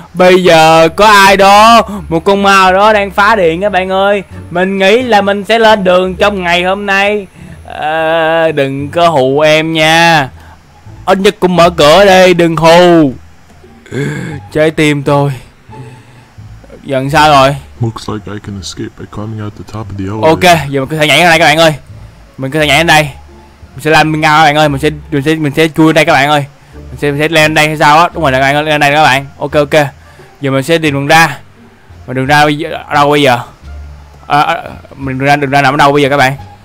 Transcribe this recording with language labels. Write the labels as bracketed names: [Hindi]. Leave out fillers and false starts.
[Vietnamese] Bây giờ có ai đó, một con ma đó đang phá điện các bạn ơi. Mình nghĩ là mình sẽ lên đường trong ngày hôm nay. Đừng có hù em nha. Ít nhất cũng mở cửa đi, đừng hù. Trái tim tôi. Giờ sao rồi? [English] Looks like I can escape by climbing out the top of the elevator. [Vietnamese] Ok, giờ mình có thể nhảy ra đây các bạn ơi. Mình có thể nhảy lên đây. Mình sẽ làm ngao các bạn ơi, mình sẽ chui lên đây các bạn ơi. Mình sẽ lên đây hay sao á? Đúng rồi các bạn ơi, lên đây các bạn. Ok. Giờ mình sẽ tìm đường ra. Mà đường ra đâu bây giờ? Mình đường ra nằm ở đâu bây giờ các bạn?